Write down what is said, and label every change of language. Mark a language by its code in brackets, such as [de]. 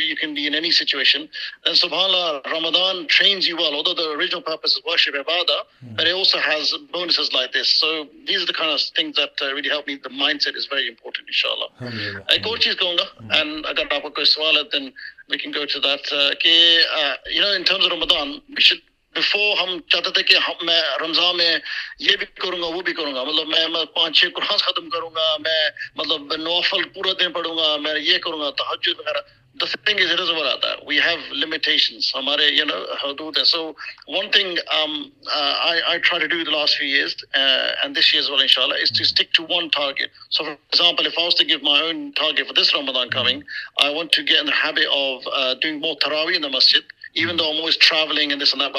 [en] You can be in any situation. And subhanAllah, Ramadan trains you well, although the original purpose is worship, ibadah, but it also has bonuses like this. So these are the kind of things that really help me. The mindset is very important, inshallah. I go cheez kaunga, and [ur] agar aapko koi sawal hai, [en] then we can go to that. You know, in terms of Ramadan, we should, [ur] before ہم چاہتے تھے کہ میں رمضان میں یہ بھی کروں گا وہ بھی کروں گا, مطلب میں 5-6 قرآن ختم کروں گا, میں مطلب نوافل پورا دن پڑھوں گا, میں یہ کروں گا تہجد وغیرہ. [en] The thing is, it is about that. We have limitations. [ur] Hamare, [en] you know, [ur] hudood hai. [en] So one thing I try to do the last few years, and this year as well, inshallah, is to stick to one target. So for example, if I was to give my own target for this Ramadan coming, I want to get in the habit of doing more tarawih in the masjid, even though I'm always traveling and this and that.